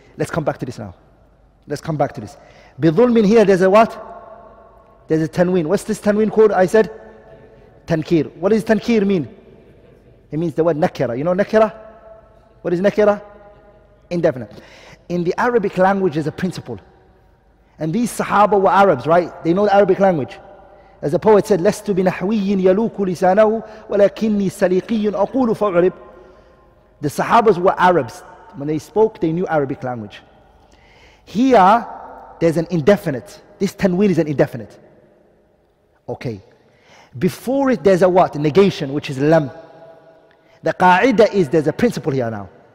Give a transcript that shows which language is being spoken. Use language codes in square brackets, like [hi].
[en] Let's come back to this now. Let's come back to this. بِظُلْمٍ here, there's a what? There's a tanween. What's this tanween called? I said? Tankir. What does tankir mean? It means the word nakira. You know nakira? What is nakira? Indefinite. In the Arabic language, there's a principle. And these Sahaba were Arabs, right? They know the Arabic language. As the poet said, [ar] لَسْتُ بِنَحْوِيٍّ يَلُوكُ لِسَانَهُ وَلَكِنِّي سَلِيقِيٌّ أَقُولُ فَعْرِبُ. [en] The Sahabas were Arabs. When they spoke, they knew Arabic language. Here, there's an indefinite. This tanween is an indefinite. Okay. Before it, there's a what? A negation, which is lam. The qa'idah is, there's a principle here now.